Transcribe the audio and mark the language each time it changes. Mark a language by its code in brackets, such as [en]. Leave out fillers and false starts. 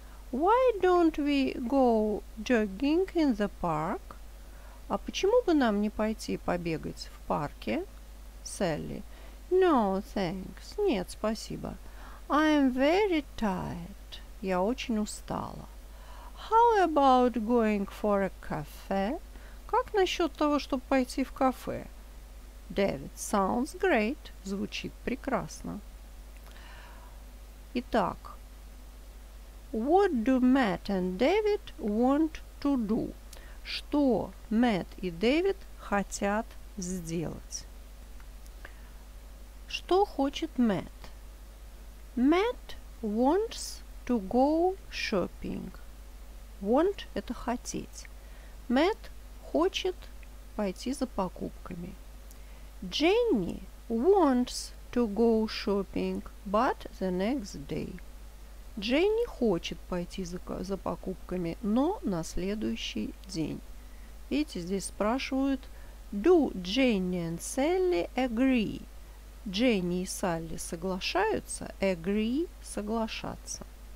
[en] Why don't we go jogging in the park? [ru] А почему бы нам не пойти побегать в парке? [en] Sally. No, thanks. [ru] Нет, спасибо. [en] I'm very tired. [ru] Я очень устала. [en] How about going for a cafe? [ru] Как насчет того, чтобы пойти в кафе? [en] David. Sounds great. [ru] Звучит прекрасно. Итак. [en] What do Matt and David want to do? [ru] Что Matt и Дэвид хотят сделать? Что хочет Matt? [en] Matt wants to go shopping. [ru] Want – это хотеть. Matt хочет пойти за покупками. [en] Jenny wants to go shopping, but the next day. [ru] Дженни хочет пойти за покупками, но на следующий день. Видите, здесь спрашивают [en] Do Jenny and Sally agree? [ru] Дженни и Салли соглашаются? Agree – соглашаться.